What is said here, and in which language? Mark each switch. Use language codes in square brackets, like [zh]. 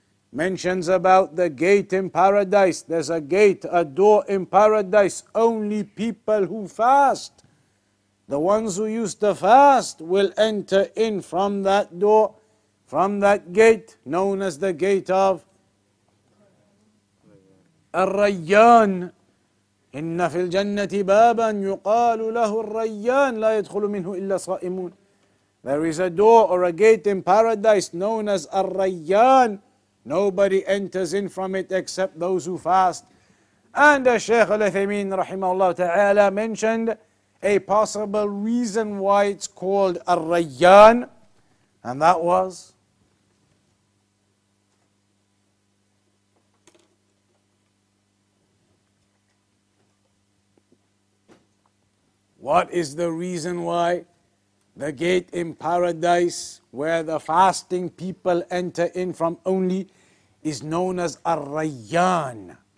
[en] Mentions about the gate in paradise. There's a gate, a door in paradise. Only people who fast, the ones who used to fast, will enter in from that door, from that gate, known as the gate of الريان. [ar] إن في الجنة بابا يقال له الريان لا يدخل منه إلا صائمون. [en] There is a door or a gate in paradise known as الريان. Nobody enters in from it except those who fast. And Shaykh Al-Uthaymeen رحمه الله تعالى mentioned a possible reason why it's called الريان, and that was what is the reason why the gate in paradise where the fasting people enter in from only is known as Ar-Rayyan?